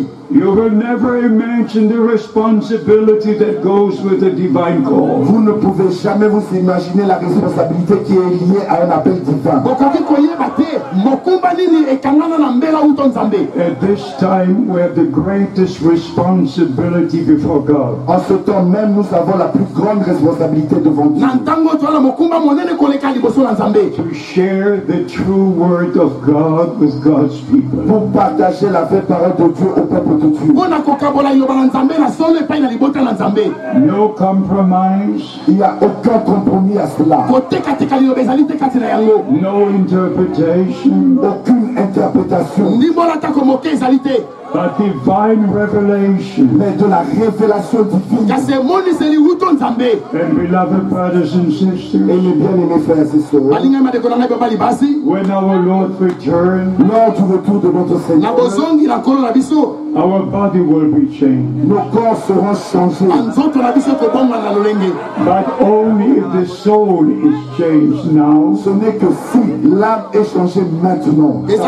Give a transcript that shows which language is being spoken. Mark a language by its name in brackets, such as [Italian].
[English] You will never imagine the responsibility that goes with a divine call. [French] Vous ne pouvez jamais vous imaginer la responsabilité qui est liée à un appel divin. [English] At this time, we have the greatest responsibility before God. [French] En ce temps même, nous avons la plus grande responsabilité devant Dieu. [English] To share the true word of God with God's people. [French] Pour partager la vraie parole de Dieu au peuple. [English] No compromise. [French] Il n'y a aucun compromis à cela. [English] No interpretation. [French] Aucune interprétation. [English] But divine revelation. [French] Mais de la révélation divine. [English] And beloved brothers and sisters. [French] Et mes bien-aimés frères et sœurs. [English] When our Lord returns. [French] Lors du retour de notre Seigneur. [English] Our body will be changed. [French] Nos corps seront changés. [English] But only if the soul is changed now. [French] Ce n'est que si l'âme est changée maintenant.